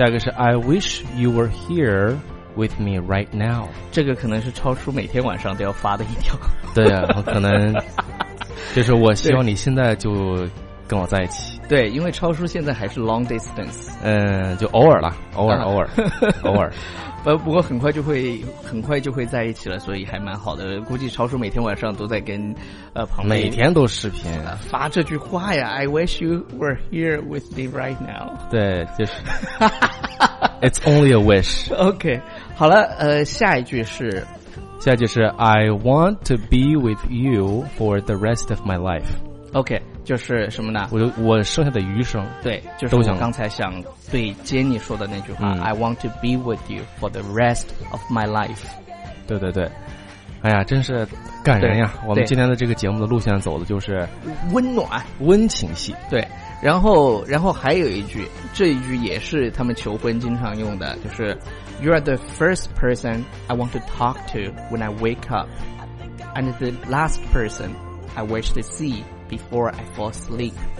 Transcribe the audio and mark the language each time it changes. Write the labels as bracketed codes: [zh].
[en] 是 I wish you were here with me right now。 [zh] 这个可能是超叔每天晚上都要发的一条。对啊，我可能就是我希望你现在就跟我在一起。对，因为超叔现在还是 [en] long distance。 [zh] 嗯，就偶尔了，偶尔不过很快就会在一起了，所以还蛮好的。估计超叔每天晚上都在跟旁边每天都视频发这句话呀。 [en] I wish you were here with me right now。 [zh] 对，就是 [en] It's only a wish。 [zh] OK， 好了，下一句是，下一句是 [en] I want to be with you for the rest of my life。 [zh] OK， 就是什么呢，我剩下的余生。对，就是我刚才想对Jenny说的那句话，嗯， [en] I want to be with you for the rest of my life。 [zh] 对对对，哎呀，真是感人呀。我们今天的这个节目的路线走的就是温暖温情戏。对，然后还有一句，这一句也是他们求婚经常用的，就是 [en] You are the first person I want to talk to when I wake up and the last person I wish to see before I fall asleep。